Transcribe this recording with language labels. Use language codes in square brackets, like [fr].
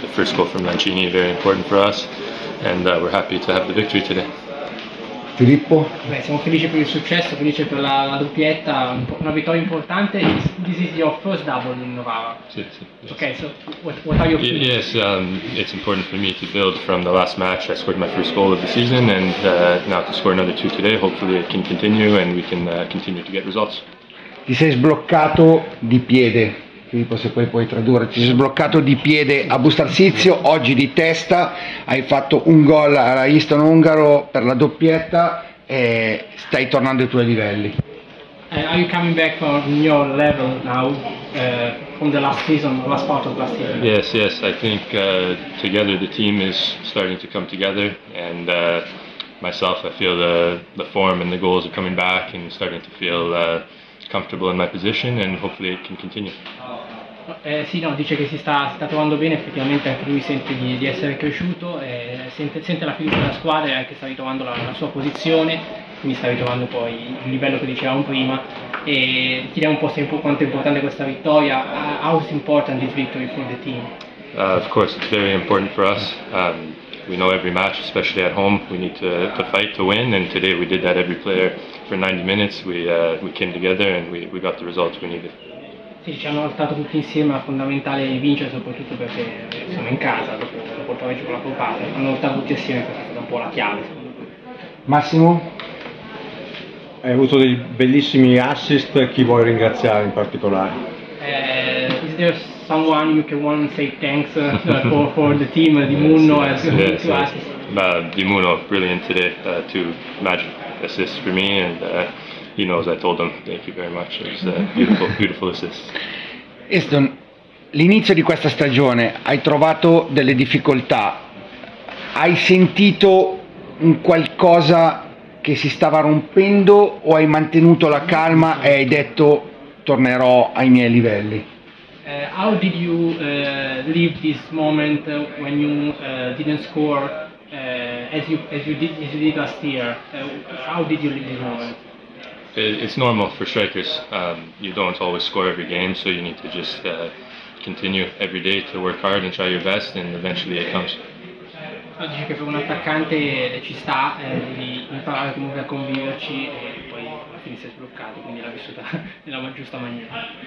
[en] The first goal from Lancini, very important for us, and we're happy to have the victory today. [it] Filippo? Beh, siamo felici per il successo, felici per la doppietta, una vittoria importante. [en] This is your first double in Novara. [it] Sì. [en] Okay, so what are your feelings? Yes, it's important for me to build from the last match. I scored my first goal of the season, and now to score another two today. Hopefully it can continue and we can continue to get results. [it] Ti sei sbloccato di piede, Filippo, se poi puoi tradurre. Ti sei sbloccato di piede a Busto Arsizio, oggi di testa, hai fatto un gol alla Eastern Ungaro per la doppietta e stai tornando ai tuoi livelli. [en] Are you coming back on your level now from the last season, last part of last season? Yes, I think together the team is starting to come together and myself I feel the form and the goals are coming back and starting to feel comfortable in my position and hopefully it can continue. [it] Sì, no, dice che si sta trovando bene, effettivamente anche lui sente di essere cresciuto, sente la fiducia della squadra e anche sta ritrovando la sua posizione, quindi sta ritrovando poi il livello che dicevamo prima. E chiediamo un po' se quanto è importante questa vittoria. [en] How is important this victory for the team? Of course it's very important for us. We know every match, especially at home, we need to fight to win, and today we did that. Every player for 90 minutes, we came together and we got the results we needed. [it] Sì, ci hanno lottato tutti insieme, è fondamentale vincere, soprattutto perché siamo in casa, dopo il pareggio con la Copata, hanno lottato tutti insieme, questa è stata un po' la chiave, secondo me. Massimo? Hai avuto dei bellissimi assist, chi vuoi ringraziare in particolare? [en] Someone you can want to say thanks for the team, Dimuno, yes, to us. Dimuno, brilliant today, two magic assists for me, and he knows I told him thank you very much. It was a beautiful, beautiful assist. [it] Easton, l'inizio di questa stagione hai trovato delle difficoltà, hai sentito un qualcosa che si stava rompendo o hai mantenuto la calma e hai detto tornerò ai miei livelli? [en] How did you live this moment when you didn't score as you did last year? How did you live this moment? It's normal for strikers. You don't always score every game, so you need to just continue every day to work hard and try your best, and eventually it comes. [it] Dice che per un attaccante ci sta di imparare comunque a conviverci e poi alla fine si è sbloccato, quindi l'ha vissuta nella giusta maniera.